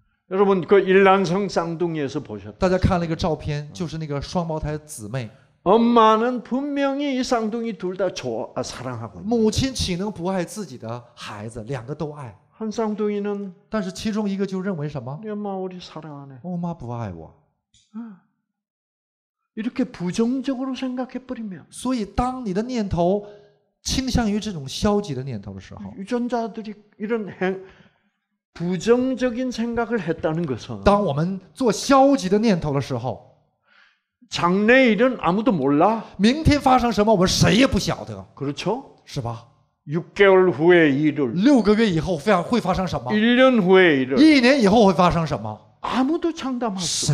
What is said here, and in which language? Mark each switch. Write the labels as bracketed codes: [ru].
[ko] 여러분그일란성쌍둥이에서보셨 [zh] 大家看了一个照片就是那个双胞胎姊妹 [ko] 엄마는분명히이쌍둥이둘다좋아사랑하고 [zh] 母亲岂能不爱自己的孩子两个都爱 [ko] 한쌍둥이는 [zh] 但是其中一个就认为什么 [ko] 엄마우리사랑하네 [zh] 엄마不爱我 [ko] 이렇게부정적으로생각해버리면 [zh] 所以当你的念头倾向于这种消极的念头的时候 [ko] 유전자들이이런행부정적인생각을했다는것은 [zh] 当我们做消极的念头的时候 [ko] 장래일은아무도몰라 [zh] 明天发生什么我们谁也不晓得 [ko] 그렇죠 [zh] 是吧 [ko] 6개월후의일을 [zh] 6个月以后会发生什么 [ko] 1년후의일을 [zh] 1년以后会发生什么 [ko] 아무도장담할수없